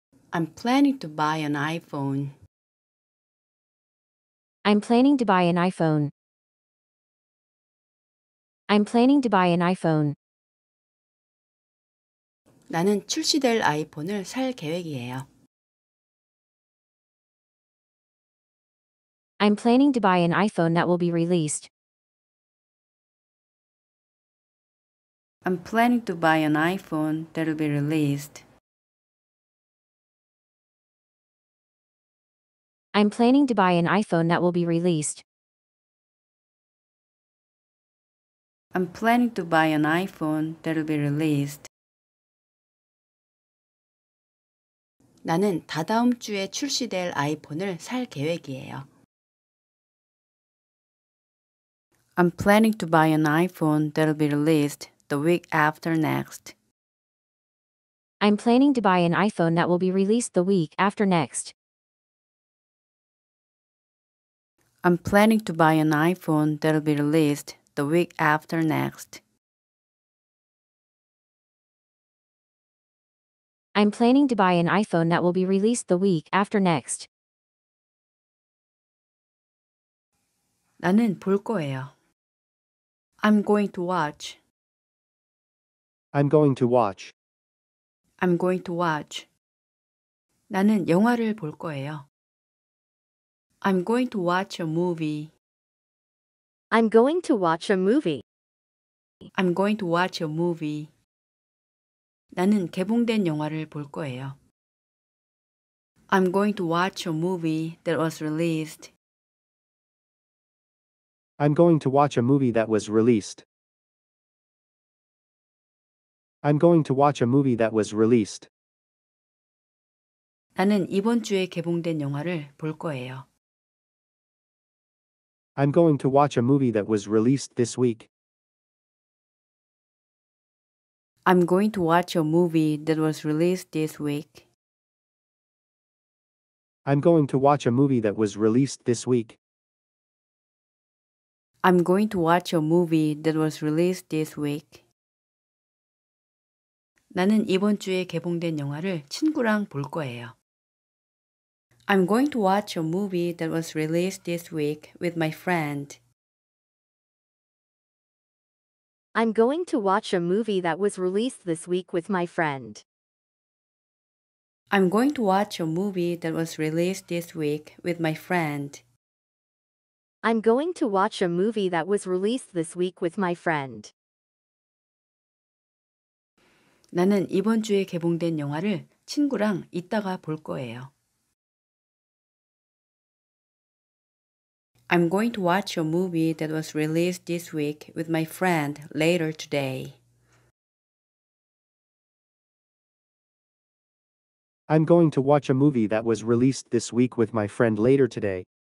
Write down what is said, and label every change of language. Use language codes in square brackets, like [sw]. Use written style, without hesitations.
[en] I'm planning to buy an iPhone. I'm planning to buy an iPhone. I'm planning to buy an iPhone. [ko] 나는 출시될 아이폰을 살 계획이에요. [en] I'm planning to buy an iPhone that will be released. I'm planning to buy an iPhone that will be released. I'm planning to buy an iPhone that will be released. I'm planning to buy an iPhone that will be released. [ko] 나는 다다음 주에 출시될 아이폰을 살 계획이에요. [en] I'm planning to buy an iPhone that'll be released the week after next. I'm planning to buy an iPhone that will be released the week after next. I'm planning to buy an iPhone that'll be released the week after next. I'm planning to buy an iPhone that will be released the week after next. [ko] 나는 볼 거예요. [en] I'm going to watch. I'm going to watch. I'm going to watch. [ko] 나는 영화를 볼 거예요. [en] I'm going to watch a movie. I'm going to watch a movie. I'm going to watch a movie. [ko] 나는 개봉된 영화를 볼 거예요. [en] I'm going to watch a movie that was released. I'm going to watch a movie that was released. I'm going to watch a movie that was released. [ko] 나는 이번 주에 개봉된 영화를 볼 거예요. [en] I'm going to watch a movie that was released this week. I'm going to watch a movie that was released this week. I'm going to watch a movie that was released this week. I'm going to watch a movie that was released this week. [ko] 나는 이번 주에 개봉된 영화를 친구랑 볼 거예요. [en] I'm going to watch a movie that was released this week with my friend. I'm going to watch a movie that was released this week with my friend. I'm going to watch a movie that was released this week with my friend. I'm going to watch a movie that was released this week with my friend. [ko] 나는 이번 주에 개봉된 영화를 친구랑 이따가 볼 거예요. [en] I'm going to watch a movie that was released this week with my friend later today. I'm going to watch a movie that was released this week with my friend later today.